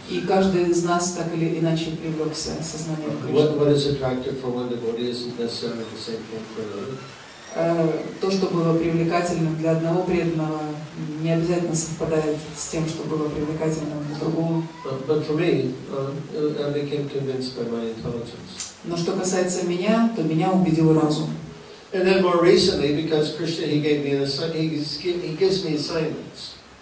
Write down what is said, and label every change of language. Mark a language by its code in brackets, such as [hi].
[ru] И каждый из нас так или иначе привлекся сознанием Кришны. [en] What is attractive for one devotee isn't necessarily the same thing for another. [ru] То, что было привлекательным для одного преданного, не обязательно совпадает с тем, что было привлекательным для другого. [en] But for me, I became convinced by my intelligence. [ru] Но что касается меня, то меня убедил разум. [en] And then more recently, because Krishna, he gave me an assignment, he gives me assignments.